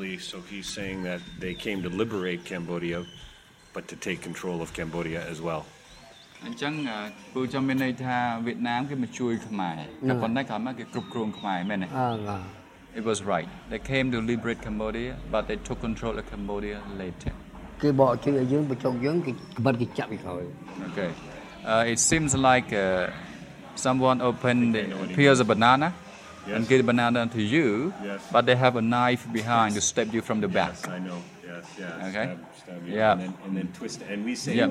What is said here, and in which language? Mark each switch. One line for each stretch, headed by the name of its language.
English: So he's saying that they came to liberate Cambodia but to take control of Cambodia as well
Khmer: អញ្ចឹងពូចាំមានន័យថាវៀតណាមគេមកជួយខ្មែរតែប៉ុន្តែគាត់មកគេគ្រប់គ្រងខ្មែរមែនទេ អឺ
English: It was right they came to liberate Cambodia but they took control of Cambodia later
Khmer: គេបកជួយយើងបច្ចុប្បន្នយើងគេក្បត់គេចាប់ពីក្រោយ
English: Okay it seems like someone opened peels a banana yes. and gave a banana to you yes. but they have a knife behind yes. to stab you from the back yes, I know yes yeah okay. stab you yeah. and then twist it. And we say yeah.